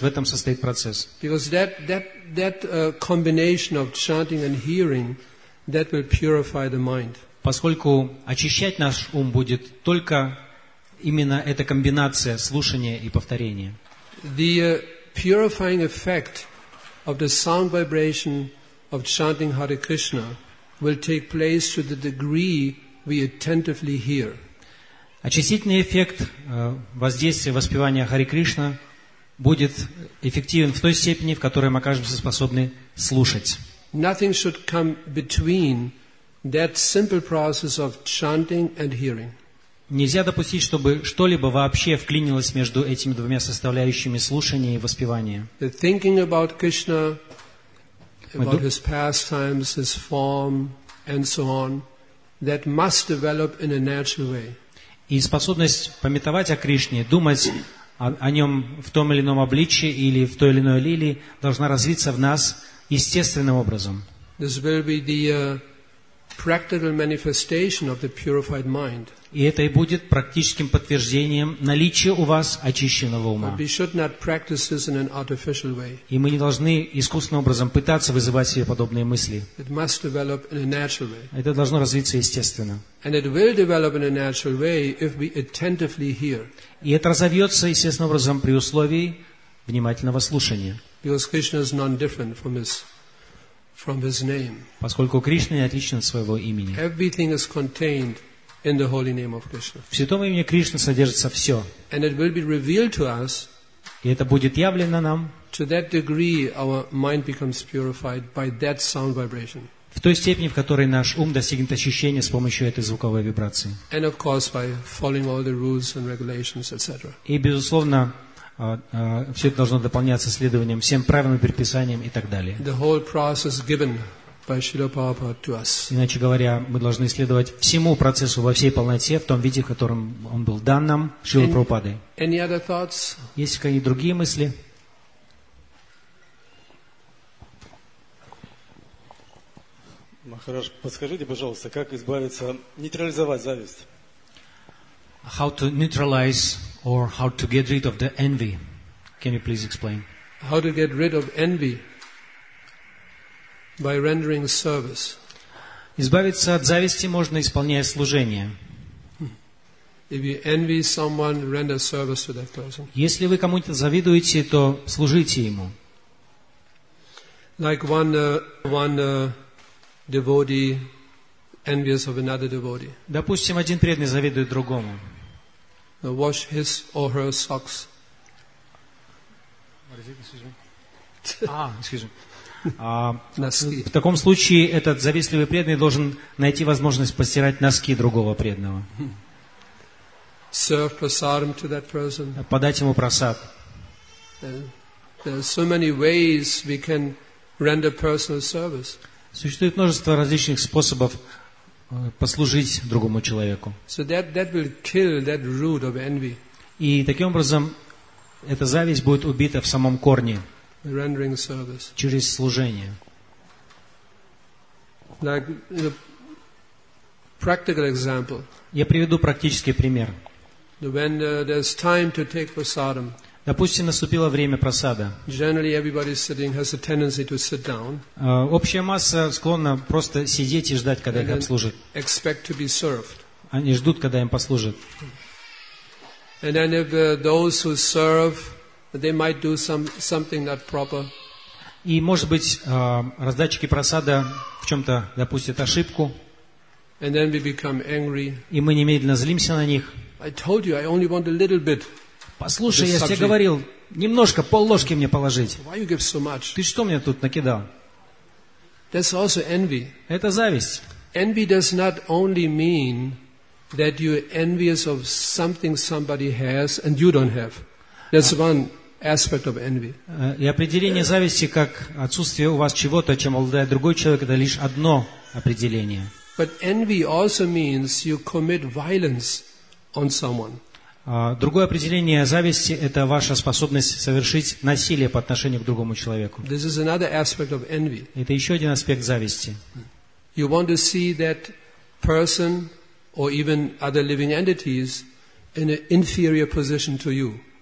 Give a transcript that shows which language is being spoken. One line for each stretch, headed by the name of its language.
Russian: В этом состоит процесс.
English: Because that combination of chanting and hearing, that will purify the mind.
Russian: Поскольку очищать наш ум будет только именно эта комбинация слушания и повторения.
English: The purifying effect of the sound vibration of chanting Hare Krishna will take place to the degree we attentively hear.
Russian: Очистительный эффект воздействия воспевания Хари Кришна будет эффективен в той степени, в которой мы окажемся способны слушать.
English: Nothing should come between that simple process of chanting and hearing.
Russian: Нельзя допустить, чтобы что-либо вообще вклинилось между этими двумя составляющими слушания и воспевания.
English: The thinking about Krishna, about his pastimes, his form, and so on, that must develop in a natural way.
Russian: И способность памятовать о Кришне, думать о нем в том или ином обличье или в той или иной лиле, должна развиться в нас естественным образом.
English: This will be the practical manifestation of the purified mind.
Russian: И это и будет практическим подтверждением наличия у вас очищенного ума.
English: But we should not practice this in an artificial way.
Russian: И мы не должны искусственным образом пытаться вызывать себе подобные мысли.
English: It must develop in a natural way.
Russian: Это должно развиться естественно.
English: And it will develop in a natural way if we attentively hear.
Russian: И это разовьется естественным образом при условии внимательного слушания.
English: Because Krishna is none different from his name.
Russian: Поскольку Кришна не отличен от своего имени.
English: Everything is contained in the holy name of Krishna.
Russian: В святом имени Кришны содержится все.
English: And it will be revealed to us.
Russian: И это будет явлено нам.
English: To that degree, our mind becomes purified by that sound vibration.
Russian: В той степени, в которой наш ум достигнет очищения с помощью этой звуковой вибрации.
English: And of course, by following all the rules and regulations, etc.
Russian: И безусловно, все это должно дополняться следованием всем правилам, предписаниям и так далее.
English: The whole process given by Srila Prabhupada to us.
Russian: Иначе говоря, мы должны следовать всему процессу во всей полноте, в том виде, в котором он был дан нам Шрилой Прабхупадой.
English: Any other thoughts?
Russian: Есть какие-нибудь другие мысли? Хорошо, подскажите, пожалуйста, как избавиться, нейтрализовать зависть?
English: How to neutralize or how to get rid of the envy? Can you please explain? How to get rid of envy? By rendering service.
Russian: Избавиться от зависти можно, исполняя служение.
English: If you envy someone, render service to that person.
Russian: Если вы кому-то завидуете, то служите ему.
English: Like one devotee envious of another devotee.
Russian: Допустим, один преданный завидует другому.
English: Wash his or her socks.
Russian: В таком случае этот завистливый преданный должен найти возможность постирать носки другого преданного.
English: Serve prasadam to that person.
Russian: Подать ему прасад.
English: There are so many ways we can render personal service.
Russian: Существует множество различных способов послужить другому человеку.
English: So that will kill that root of envy.
Russian: И таким образом эта зависть будет убита в самом корне.
English: Rendering service.
Russian: Через служение.
English: Like the practical example.
Russian: Я приведу практический пример.
English: When there's time to take prasadam.
Russian: Допустим, наступило время прасада.
English: Generally, everybody sitting has a tendency to sit down.
Russian: Общая масса склонна просто сидеть и ждать, когда их обслужат.
English: Expect to be served.
Russian: Они ждут, когда им послужат.
English: And then if those who serve, they might do something not proper.
Russian: И может быть раздатчики прасада в чем-то допустят ошибку.
English: And then we become angry.
Russian: И мы немедленно злимся на них.
English: I told you, I only want a little bit.
Russian: Послушай, я тебе говорил, немножко, пол ложки мне положить.
English: Why you give so much?
Russian: Ты что мне тут накидал?
English: That's also envy.
Russian: Это зависть.
English: Envy does not only mean that you're envious of something somebody has and you don't have. That's one aspect of envy.
Russian: И определение зависти как отсутствие у вас чего-то, чем обладает другой человек, это лишь одно определение.
English: But envy also means you commit violence on someone.
Russian: Другое определение зависти – это ваша способность совершить насилие по отношению к другому человеку.
English: This is another aspect of envy.
Russian: Это еще один аспект зависти.
English: You want to see that person or even other living entities in an inferior position to you.